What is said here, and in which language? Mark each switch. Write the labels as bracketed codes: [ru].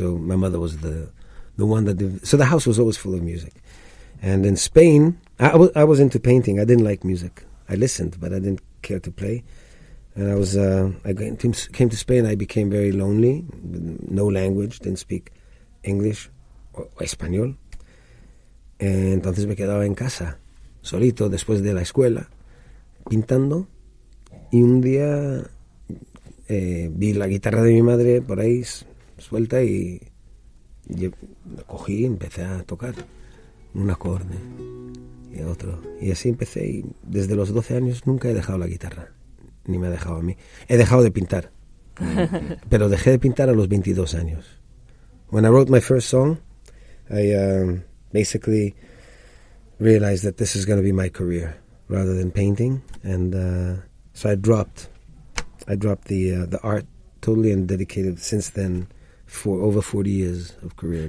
[en] So my mother was the one that... So the house was always full of music. And in Spain, I was into painting. I didn't like music. I listened, but I didn't care to play. And I was, I came to Spain, I became very lonely, no language, didn't speak English or Espanol. [es] Entonces me quedaba en casa, solito, después de la escuela, pintando. Y un día vi la guitarra de mi madre por ahí, suelta, y la cogí y empecé a tocar un acorde y otro. Y así empecé, y desde los 12 años nunca he dejado la guitarra. Ni me ha dejado a mí. He dejado de pintar. Pero dejé de pintar a los 22 años. [en] When I wrote my first song, I basically realized that this is going to be my career rather than painting. And so I dropped the art totally and dedicated since then for over 40 years of career.